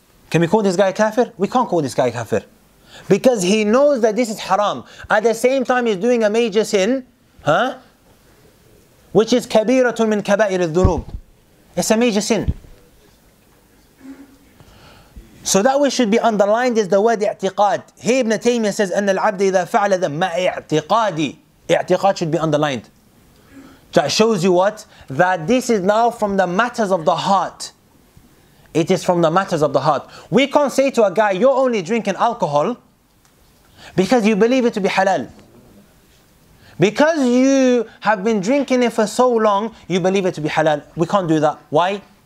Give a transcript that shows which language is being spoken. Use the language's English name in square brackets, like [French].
[English] Can we call this guy kafir? We can't call this guy kafir. Because he knows that this is haram. At the same time, he's doing a major sin, huh? Which is [Arabic] kabiratun min kaba'ir al-dhunub. [English] It's a major sin. So that which should be underlined is the word i'tiqad. He Ibn Taymiyyah says, [Arabic] أن العبد إذا فعل ذنب ما اعتقادي. [English] I'tiqad should be underlined. That shows you what? That this is now from the matters of the heart. It is from the matters of the heart. We can't say to a guy, you're only drinking alcohol because you believe it to be halal. Because you have been drinking it for so long, you believe it to be halal. We can't do that. Why?